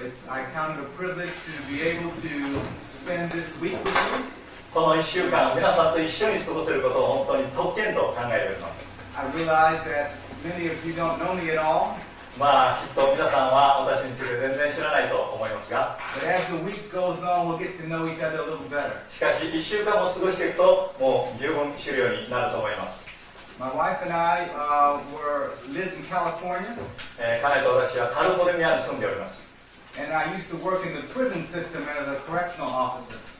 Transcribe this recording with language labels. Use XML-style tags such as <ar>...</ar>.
<en>I count the privilege to be able to spend this week with you.</en> <ja>この1週間、皆さんと一緒に過ごせることを本当に特権と考えております。</ja> <en>I realize that many of you don't know me at all.</en> <ja>まあ、きっと皆さんは私について全然知らないと思いますが。</ja> <en>But as the week goes on, we'll get to know each other a little better.</en> <ja>しかし、1週間も過ごしていくと、もう十分知るようになると思います。</ja> <en>My wife and I lived in California.</en> <ja>彼と私はカリフォルニアに住んでおります。</ja> <en>And I used to work in the prison system as a correctional officer.</en>